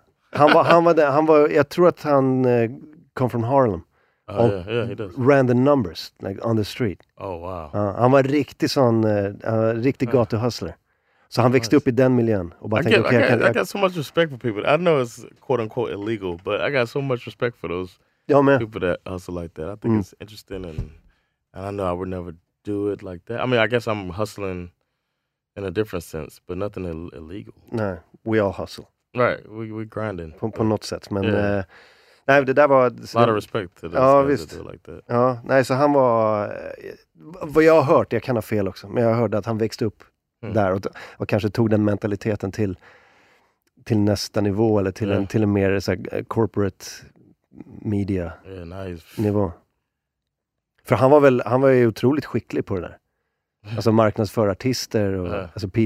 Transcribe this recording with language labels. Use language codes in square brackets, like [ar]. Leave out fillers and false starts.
[sv] Han var jag tror att han kom från Harlem. [en] Yeah, he does. Ran the numbers like on the street. Oh wow. [sv] Han var riktig sån riktig gatu hustler. Så han växte upp i den miljön och bara tänkte [en] I got so much respect for people. I know it's quote unquote illegal, but I got so much respect for those people that hustle like that. I think it's interesting and I know I would never do it like that. I mean, I guess I'm hustling in a different sense, but nothing illegal. No, we all hustle. Right, we grinding. [sv] På något sätt, men nej, det där var... [en] A lot of respect to those guys that do it like that. [sv] Ja, nej, så han var... Vad jag har hört, jag kan ha fel också, men jag hörde att han växte upp där och kanske tog den mentaliteten till nästa nivå eller till en mer så här, corporate media nivå. För han var ju otroligt skicklig på det där. Alltså marknadsför artister och alltså P.